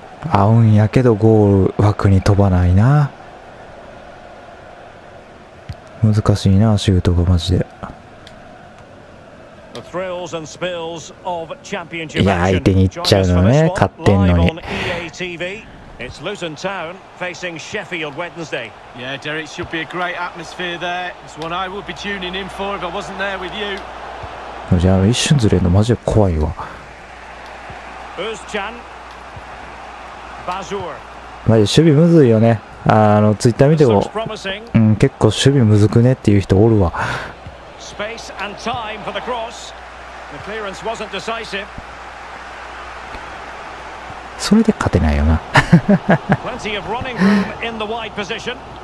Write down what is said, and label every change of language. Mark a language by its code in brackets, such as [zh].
[ja] 合うんやけどゴール枠に飛ばないな。難しいな、シュートがマジで。いや、相手に行っちゃうのね、勝ってんのに。 [en] It's Luton Town facing Sheffield Wednesday. Yeah, Derek, should be a great atmosphere there. It's one I would be tuning in for if I wasn't there with you. [ja] マジ、あの一瞬ずれるのマジで怖いわ。 Özcan, Bazur. マジ、守備むずいよね。あの、ツイッター見ても、結構守備むずくねっていう人おるわ。 [en] Space and time for the cross. The clearance wasn't decisive. [ja] それで勝てないよな。 [en] Plenty of running room in the wide position.